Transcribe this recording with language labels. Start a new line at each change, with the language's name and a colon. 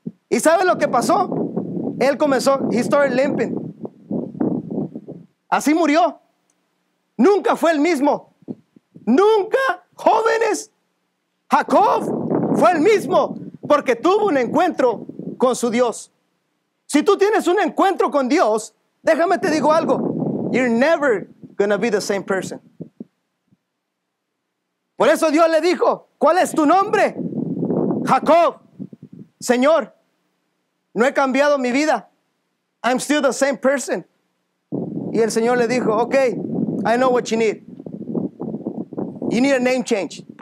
Spanish: ¿Y sabe lo que pasó? Él comenzó,
English: he started limping.
Spanish: Así murió. Nunca fue el mismo. Nunca, jóvenes, Jacob fue el mismo porque tuvo un encuentro con su Dios. Si tú tienes un encuentro con Dios, déjame te digo algo.
English: You're never going to be the same person.
Spanish: Por eso Dios le dijo, ¿cuál es tu nombre? Jacob. Señor, no he cambiado mi vida.
English: I'm still the same person.
Spanish: Y el Señor le dijo,
English: okay, I know what you need. You need a name change.